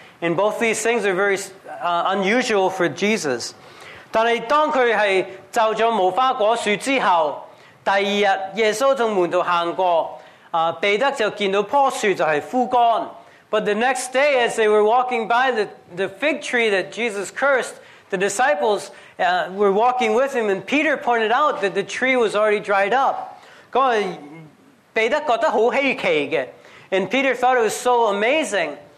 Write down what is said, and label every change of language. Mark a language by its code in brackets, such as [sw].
[en] And both these things are very unusual for Jesus. [yue] 但係當佢係就咗無花果樹之後, 第二日耶穌同門徒行過, 彼得就見到棵樹就係枯乾. [en] But the next day, as they were walking by the fig tree that Jesus cursed, the disciples were walking with him, and Peter pointed out that the tree was already dried up. [yue] 彼得覺得好稀奇嘅, [en] and Peter thought it was so amazing.